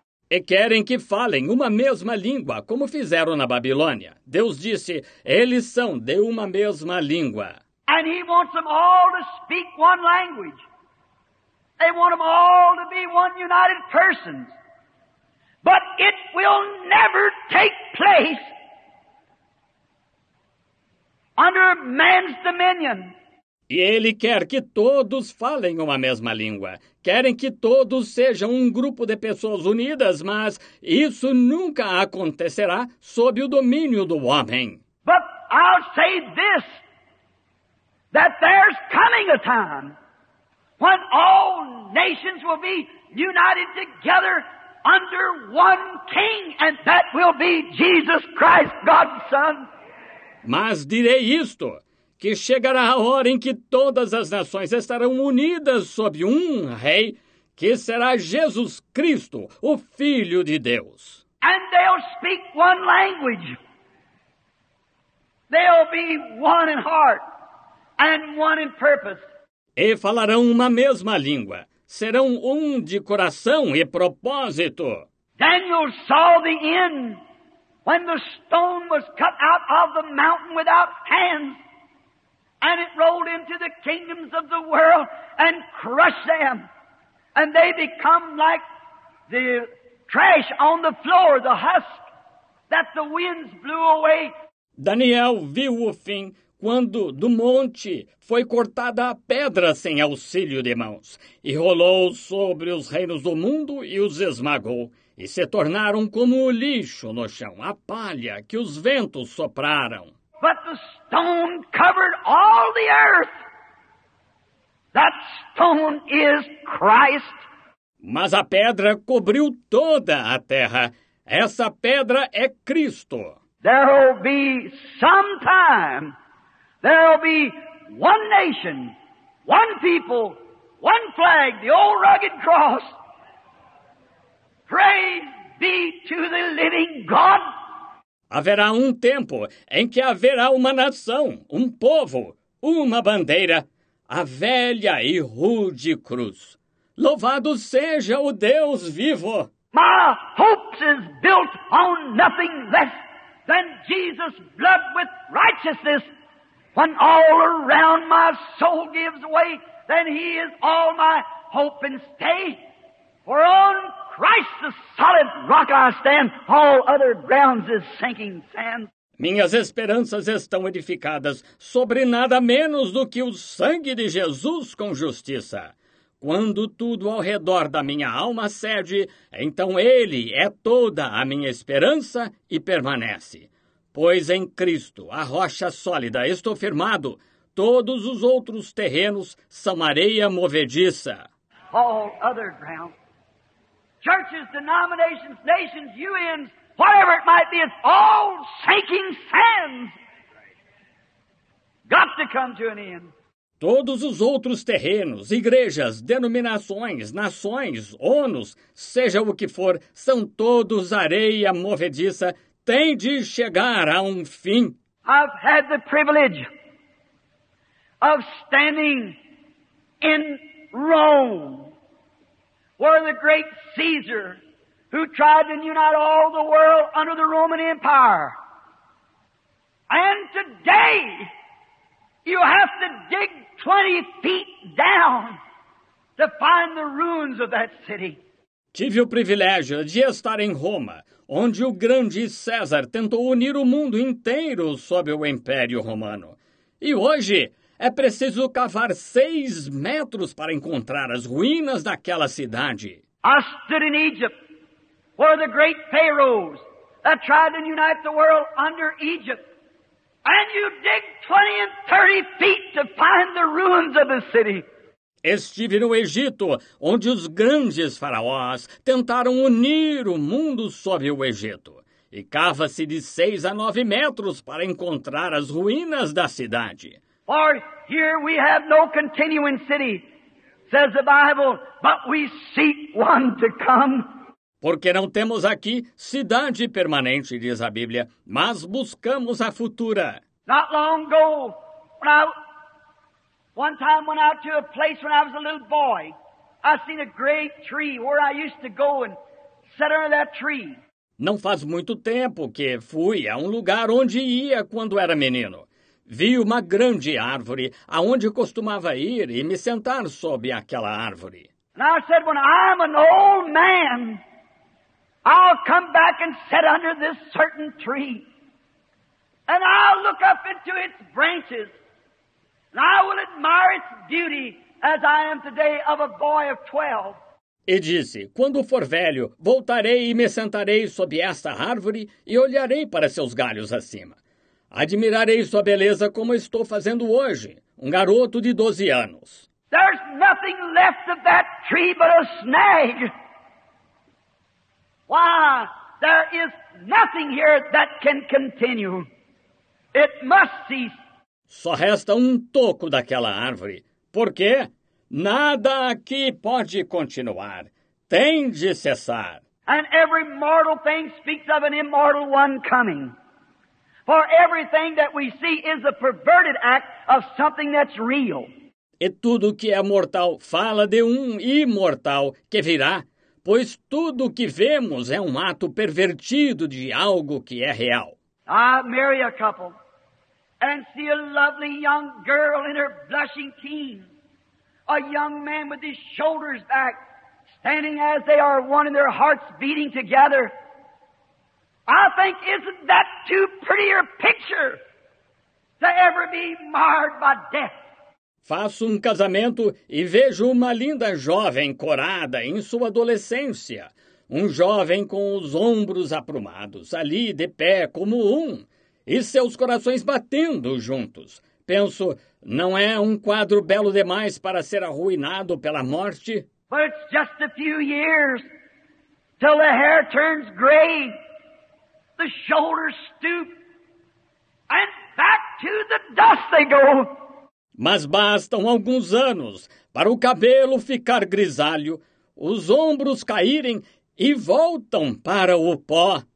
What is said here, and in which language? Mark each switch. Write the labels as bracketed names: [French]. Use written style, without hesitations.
[Portuguese] E querem que falem uma mesma língua, como fizeram na Babilônia. Deus disse, eles são de uma mesma língua. [English] And he wants them all to speak one language. They want them all to be one united person. But it will never take place under man's dominion. [Portuguese] E ele quer que todos falem uma mesma língua. Querem que todos sejam um grupo de pessoas unidas, mas isso nunca acontecerá sob o domínio do homem. [English] But I'll say this, that there's coming a time when all nations will be united together under one king, and that will be Jesus Christ, God's Son. [Portuguese] Mas direi isto, que chegará a hora em que todas as nações estarão unidas sob um rei, que será Jesus Cristo, o Filho de Deus. [English] And they'll speak one language. They'll be one in heart and one in purpose. [Portuguese] E falarão uma mesma língua. Serão um de coração e propósito. [English] Daniel saw the end when the stone was cut out of the mountain without hands. And it rolled into the kingdoms of the world and crushed them. And they become like the trash on the floor, the husk that the winds blew away. [Portuguese] Daniel viu o fim quando do monte foi cortada a pedra sem auxílio de mãos. E rolou sobre os reinos do mundo e os esmagou. E se tornaram como o lixo no chão, a palha que os ventos sopraram. [English] But the stone covered all the earth. That stone is Christ. [Portuguese] Mas a pedra cobriu toda a terra. Essa pedra é Cristo. [English] There will be some time. There will be one nation, one people, one flag, the old rugged cross. Praise be to the living God. [Portuguese] Haverá um tempo em que haverá uma nação, um povo, uma bandeira, a velha e rude cruz. Louvado seja o Deus vivo! [English] My hopes is built on nothing less than Jesus' blood with righteousness. When all around my soul gives way, then he is all my hope and stay. For on Christ, the solid rock I stand, all other grounds is sinking sand. [Portuguese] Minhas esperanças estão edificadas sobre nada menos do que o sangue de Jesus com justiça. Quando tudo ao redor da minha alma cede, então Ele é toda a minha esperança e permanece. Pois em Cristo, a rocha sólida, estou firmado, todos os outros terrenos são areia movediça. [English] All other grounds. Churches, denominations, nations, UNs, whatever it might be, it's all sinking sands. Got to come to an end. [Portuguese] Todos os outros terrenos, igrejas, denominações, nações, ONUs, seja o que for, são todos areia movediça, tem de chegar a um fim. [English] I've had the privilege of standing in Rome, where the great Caesar, who tried to unite all the world under the Roman Empire. And today, you have to dig 20 feet down to find the ruins of that city. [Portuguese] Tive o privilégio de estar em Roma, onde o grande César tentou unir o mundo inteiro sob o Império Romano. E hoje, é preciso cavar 6 metros para encontrar as ruínas daquela cidade. [English] I stood in Egypt, where the great pharaohs that tried to unite the world under Egypt. And you dig 20 and 30 feet to find the ruins of the city. [Portuguese] Estive no Egito, onde os grandes faraós tentaram unir o mundo sob o Egito. E cava-se de 6 a 9 metros para encontrar as ruínas da cidade. [English] For here we have no continuing city, says the Bible, but we seek one to come. [Portuguese] Porque não temos aqui cidade permanente, diz a Bíblia, mas buscamos a futura. [English] Not long ago, one time went out to a place when I was a little boy. I seen a great tree where I used to go and sit under that tree. [Portuguese] Não faz muito tempo que fui a um lugar onde ia quando era menino. Vi uma grande árvore aonde costumava ir e me sentar sob aquela árvore. [English] And I said, when I'm an old man, I'll come back and sit under this certain tree. And I'll look up into its branches. And I will admire its beauty as I am today of a boy of 12. [Portuguese] E disse, quando for velho, voltarei e me sentarei sob esta árvore e olharei para seus galhos acima. Admirarei sua beleza como estou fazendo hoje, um garoto de 12 anos. [English] There's nothing left of that tree but a snag. Why, there is nothing here that can continue. It must cease. [Portuguese] Só resta um toco daquela árvore. Por quê? Nada aqui pode continuar. Tem de cessar. [English] And every mortal thing speaks of an immortal one coming. For everything that we see is a perverted act of something that's real. [Portuguese] E tudo que é mortal fala de um imortal que virá, pois tudo que vemos é um ato pervertido de algo que é real. [English] I marry a couple and see a lovely young girl in her blushing teens, a young man with his shoulders back, standing as they are one and their hearts beating together. I think, isn't that too pretty a picture to ever be marred by death? [Portuguese] Faço um casamento e vejo uma linda jovem corada em sua adolescência, um jovem com os ombros aprumados, ali de pé como um, e seus corações batendo juntos. Penso, não é um quadro belo demais para ser arruinado pela morte? [English] But it's just a few years till the hair turns gray. The shoulders stoop, and back to the dust they go. [Portuguese] Mas bastam alguns anos para o cabelo ficar grisalho, os ombros caírem e voltam para o pó.